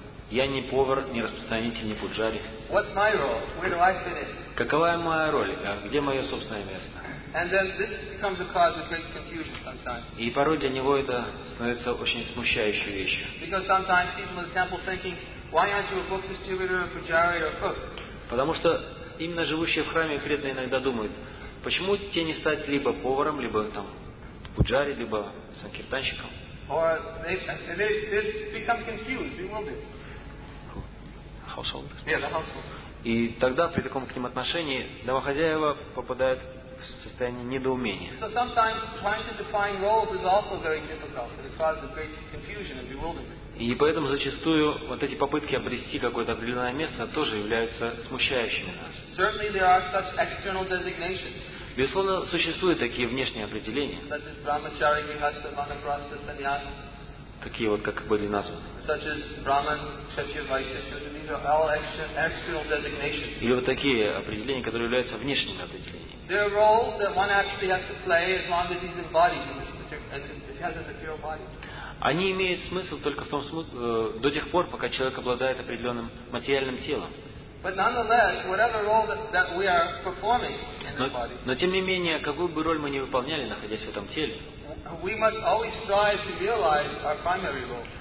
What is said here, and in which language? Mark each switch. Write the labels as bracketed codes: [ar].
[ru] Я не повар, не распространитель, не пуджари. [en] What's my role? Where do I fit in? [ru] Какова моя роль? А где мое собственное место? [en] And then this becomes a cause of great confusion sometimes. [ru] И порой для него это становится очень смущающей вещью. [en] Because sometimes people in the temple thinking, why aren't you a book distributor, a pujari, or a cook? [ru] Потому что именно живущие в храме преданные иногда думают, почему тебе не стать либо поваром, либо там пуджари, либо санкиртанщиком? [en] Or they become confused, bewildered. Household. Yeah, the household. [ru] И тогда при таком к ним отношении домохозяева попадают в состояние недоумения. [en] So sometimes trying to define roles is also very difficult, and it causes great confusion and bewilderment. [ru] И поэтому зачастую вот эти попытки обрести какое-то определенное место тоже являются смущающими нас. [en] Certainly there are such external designations. [ru] Безусловно, существуют такие внешние определения. [en] Such as brahmachari, grihastha, vanaprastha, sannyasa. [ru] Такие вот, как были названы. [en] Such as Brahman, Kshatriya, Vaishya, external designations. [ru] Или вот такие определения, которые являются внешними определениями. [en] There are roles that one actually has to play as long as he's embodied in this particular, as he has a material body. [ru] Они имеют смысл только в том до тех пор, пока человек обладает определенным материальным телом. [en] But nonetheless, whatever role that we are performing in the body. [ru] Но тем не менее, какую бы роль мы ни выполняли, находясь в этом теле. [en] We must always strive to realize our primary role.